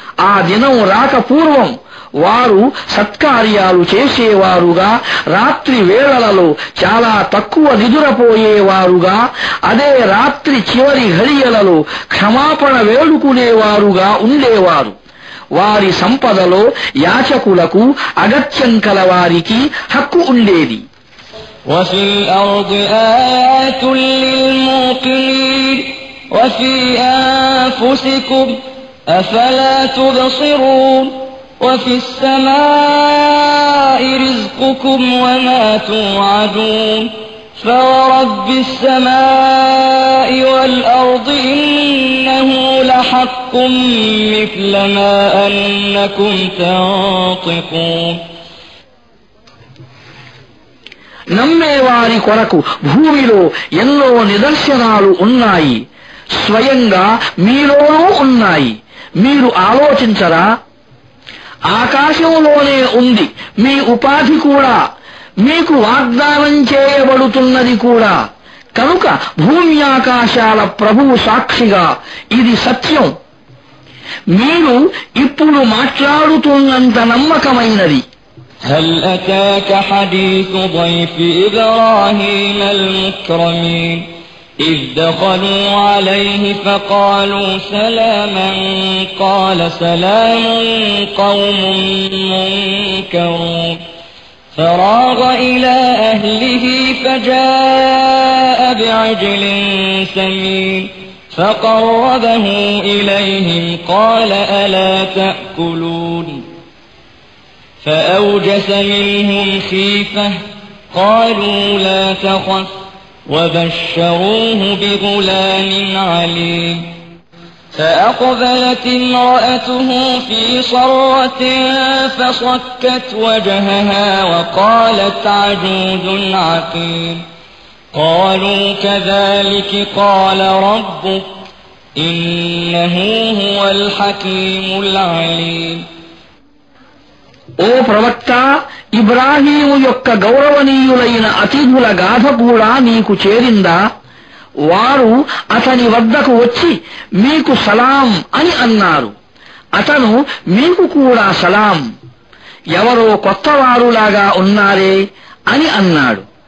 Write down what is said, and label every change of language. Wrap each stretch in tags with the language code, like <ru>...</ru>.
<te>ఆ దినం రాకపూర్వం వారు సత్కార్యాలు చేసేవారుగా, రాత్రి వేళలలో చాలా తక్కువ నిదురపోయేవారుగా, అదే రాత్రి చివరి ఘడియలలో క్షమాపణ వేడుకునేవారుగా ఉండేవారు. వారి సంపదలో యాచకులకు అగత్యం కలవారికి హక్కు ఉండేది.</te> <ar>وفي الأرض آيات للموقنين وفي أنفسكم أفلا تبصرون وفي السماء رزقكم وما توعدون فورب السماء والأرض إنه لحق مثل ما أنكم تنطقون.</ar> <te>నమ్మేవారి కొరకు భూమిలో ఎన్నో నిదర్శనాలు ఉన్నాయి, స్వయంగా మీలోనూ ఉన్నాయి. మీరు ఆలోచించరా? ఆకాశంలోనే ఉంది మీ ఉపాధి కూడా, మీకు వాగ్దానం చేయబడుతున్నది కూడా. కనుక భూమి ఆకాశాల ప్రభువు సాక్షిగా ఇది సత్యం. మీరు ఇప్పుడు మాట్లాడుతున్నంత నమ్మకమైనది.</te> <ar>هل أتاك حديث ضيف إبراهيم المكرمين إذ دخلوا عليه فقالوا سلاما قال سلام قوم منكرون فراغ إلى أهله فجاء بعجل سمين فقربه إليهم قال ألا تأكلون فأوجس منهم خيفة قالوا لا تخف وبشروه بغلام عليم فأقبلت امرأته في صرة فصكت وجهها وقالت عجوز عقيم قالوا كذلك قال ربك إنه هو الحكيم العليم</ar> <te>ఓ ప్రవక్త, ఇబ్రాహీము యొక్క గౌరవనీయులైన అతిథుల గాథ కూడా నీకు చేరిందా? వారు అతని వద్దకు వచ్చి మీకు సలాం అని అన్నారు. అతను మీకు కూడా సలాం, ఎవరో కొత్తవారులాగా ఉన్నారే అని అన్నాడు.</te>